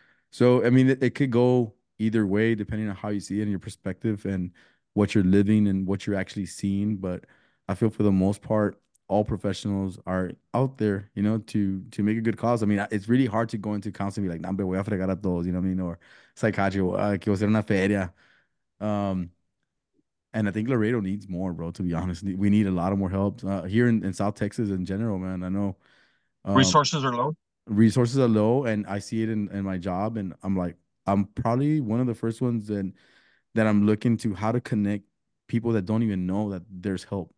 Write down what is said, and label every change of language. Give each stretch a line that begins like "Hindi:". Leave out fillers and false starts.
English: So, I mean, it could go either way, depending on how you see it and your perspective and what you're living and what you're actually seeing. But I feel for the most part, all professionals are out there, you know, to make a good cause. I mean, it's really hard to go into counseling and be like,
Spanish: no, voy a fregar a todos,
English: you know what I mean? Or psychiatry,
Spanish: que voy a hacer una feria.
English: And I think Laredo needs more, bro, to be honest. We need a lot of more help here in South Texas in general, man. I know resources are low. Resources are low, and I see it in my job. And I'm like, I'm probably one of the first ones and that I'm looking to how to connect people that don't even know that there's help.